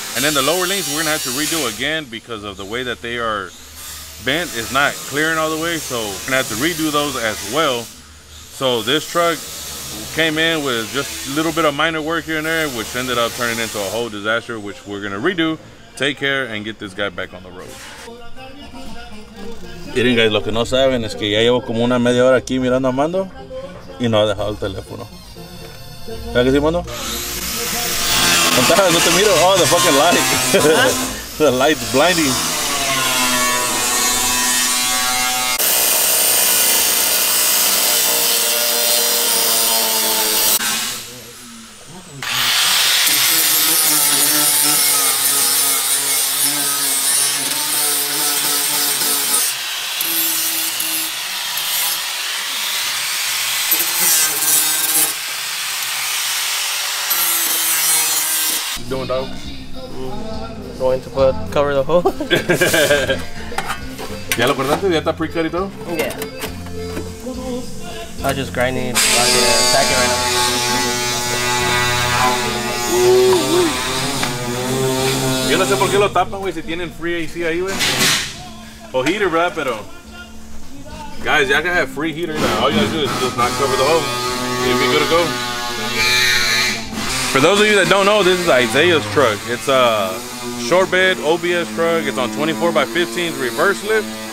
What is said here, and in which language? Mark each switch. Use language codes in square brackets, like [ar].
[en] And then the lower links, we're gonna have to redo again because of the way that they are bent is not clearing all the way. So we're gonna have to redo those as well. So this truck came in with just a little bit of minor work here and there, which ended up turning into a whole disaster, which we're gonna redo, take care, and get this guy back on the road. [es] Miren, guys, lo que no saben es que ya llevo como una media hora aquí mirando a Mando y no ha dejado el teléfono. ¿Sabes qué sí, Mando? No te miro. [en] Oh, the fucking light. The light's blinding. Dog. Going to put cover the hole. [es] Ya lo cortaste, ya está pre-cut y todo. [en] Yeah. I just grinding it, packing right now. Ooh. Ooh. [es] Yo no sé por qué lo tapan, güey, si tienen [en] free AC [es] ahí, güey. O heater, ¿verdad? Pero guys, ya que [en] have free heater, all you gotta do is just not cover the hole. You'll be good to go. For those of you that don't know, this is Isaiah's truck. It's a short bed OBS truck. It's on 24 by 15s reverse lift.